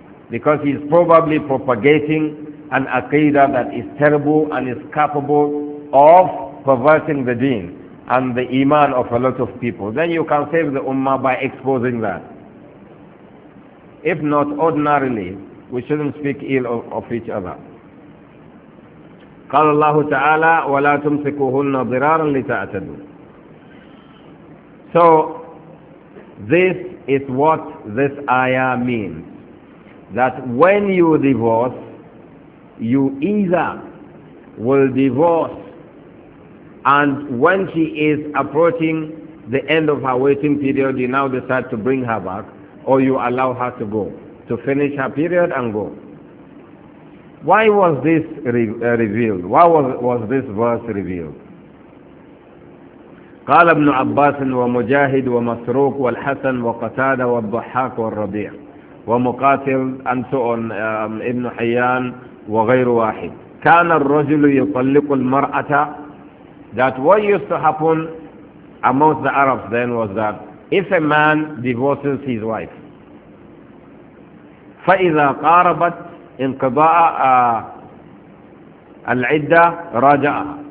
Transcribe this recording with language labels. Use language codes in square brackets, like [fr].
[en] Because he is probably propagating an aqidah that is terrible and is capable of perverting the deen and the iman of a lot of people. Then you can save the ummah by exposing that. If not, ordinarily, we shouldn't speak ill of each other. [ar] قال الله تعالى ولا تمسكوهن ضرارا لتعتدوا. [en] So this is what this ayah means, that when you divorce, you either will divorce, and when she is approaching the end of her waiting period, you now decide to bring her back, or you allow her to go, to finish her period and go. Why was this revealed? Why was this verse revealed? [ar] قال ابن عباس ومجاهد ومسروق والحسن وقتادة والضحاك والربيع ومقاتل أنتون ابن حيان وغير واحد. كان الرجل يطلق المرأة. [en] That what used to happen amongst the Arabs then was that if a man divorces his wife, [ar] فإذا قاربت انقضاء العدة راجعة.